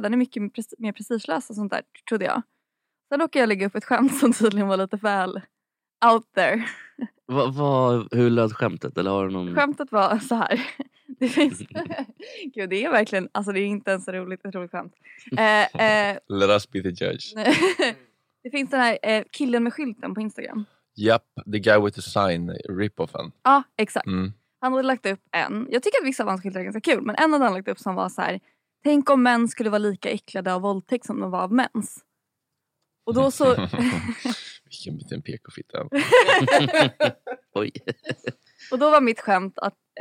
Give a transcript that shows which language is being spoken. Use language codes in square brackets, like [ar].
[sv] Den är mycket mer prestigelös och sånt där, trodde jag. Sen åker jag lägga upp ett skämt som tydligen var lite väl [en] out there. [sv] Hur löd skämtet? Eller har du någon... Skämtet var så här. Det finns... Gud, det är verkligen... Alltså, det är inte ens ett roligt skämt. [en] Let us be the judge. [sv] Det finns den här killen med skylten på Instagram. [en] Yep, the guy with the sign, rip-offen. [sv] Ja, exakt. Han hade lagt upp en, jag tycker att vissa av hans skildrar är ganska kul, men en hade han lagt upp som var så här: tänk om män skulle vara lika äcklade av våldtäkt som de var av mens. Och då så... Vilken liten pekofitta. Oj. Och då var mitt skämt att...